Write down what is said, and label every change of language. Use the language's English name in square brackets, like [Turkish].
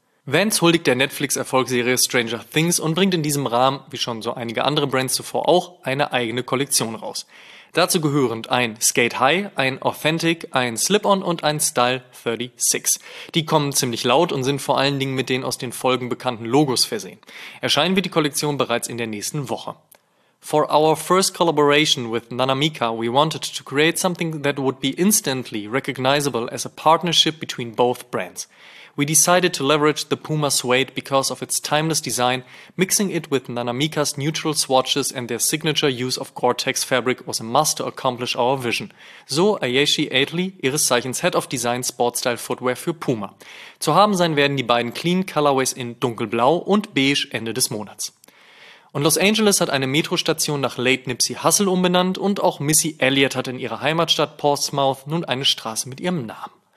[German] Vans huldigt der Netflix-Erfolgsserie Stranger Things und bringt in diesem Rahmen, wie schon so einige andere Brands zuvor auch, eine eigene Kollektion raus. Dazu gehören ein Skate High, ein Authentic, ein Slip-On und ein Style 36. Die kommen ziemlich laut und sind vor allen Dingen mit den aus den Folgen bekannten Logos versehen. Erscheinen wird die Kollektion bereits in der nächsten Woche. [English] For our first collaboration with Nanamika, we wanted to create something that would be instantly recognizable as a partnership between both brands. We decided to leverage the Puma suede because of its timeless design, mixing it with Nanamika's neutral swatches and their signature use of Gore-Tex fabric was a must to accomplish our vision. [German] So Ayeshi Aitley, ihres Zeichens Head of Design Sportstyle Footwear für Puma. Zu haben sein werden die beiden Clean Colorways in Dunkelblau und Beige Ende des Monats. Und Los Angeles hat eine Metrostation nach Late Nipsey Hussle umbenannt und auch Missy Elliott hat in ihrer Heimatstadt Portsmouth nun eine Straße mit ihrem Namen.